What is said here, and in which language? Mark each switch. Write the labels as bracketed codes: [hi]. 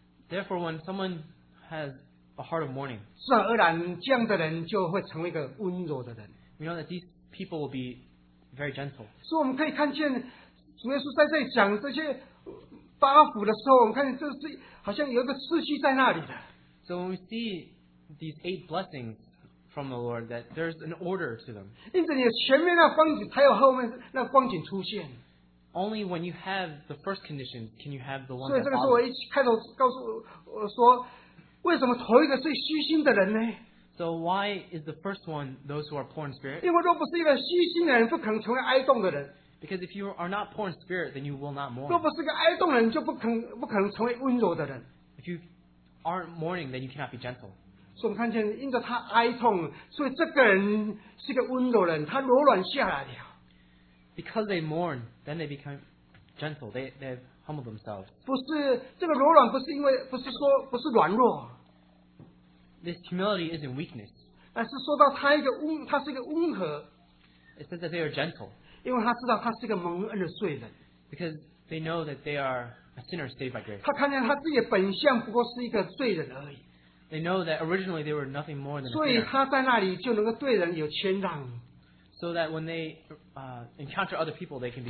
[en] Therefore, when someone has a heart of mourning, we know that these people will be very gentle. So we can see, [zh] 主耶稣在这里讲这些八福的时候, 我们看见这是好像有一个次序在那里的。 [en] So when we see these eight blessings from the Lord, that there's an order to them. [zh] 因此你前面那光景, 才有后面那光景出现。 [en] Only when you have the first condition can you have the one that [zh] 所以这个是我一开头告诉我说, 为什么头一个最虚心的人呢? [en] So why is the first one those who are poor in spirit? [zh] 因为若不是一个虚心的人, 不可能成为哀动的人。 [en] Because if you are not poor in spirit, then you will not mourn. [zh] 若不是个哀动人, 就不可能成为温柔的人。 [en] If you aren't mourning, then you cannot be gentle. [zh] 所以我们看见因着他哀痛, 所以这个人是个温柔人, 他柔软下来了。 [en] Because they mourn, then they become gentle. They have humbled themselves. [zh] 不是这个柔软，不是因为不是说不是软弱。 [en] This humility isn't weakness. [zh] 但是说到他一个温，他是一个温和。 [en] It says that they are gentle. [zh] 因为他知道他是一个蒙恩的罪人。 [en] Because they know that they are a sinner saved by grace. [zh] 他看见他自己本相不过是一个罪人而已。 [en] They know that originally they were nothing more than a sinner. [zh] 所以他在那里就能够对人有谦让。 [en] So that when they encounter other people, they can be